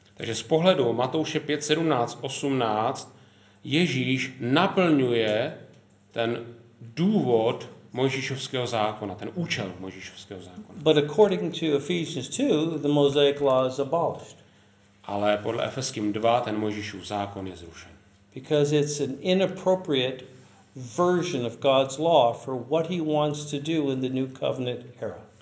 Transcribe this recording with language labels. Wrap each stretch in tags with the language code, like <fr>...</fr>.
<cs>Takže z pohledu Matouše 5:17-18 Ježíš naplňuje ten důvod Mojžíšovského zákona, ten účel Mojžíšovského zákona.</cs> <en>But according to Ephesians 2 the Mosaic law is abolished.</en> <cs>Ale podle Efeským 2 ten Mojžíšův zákon je zrušen.</cs> <en>Because it's an inappropriate version of God's law for what he wants to do in the new covenant era.</en>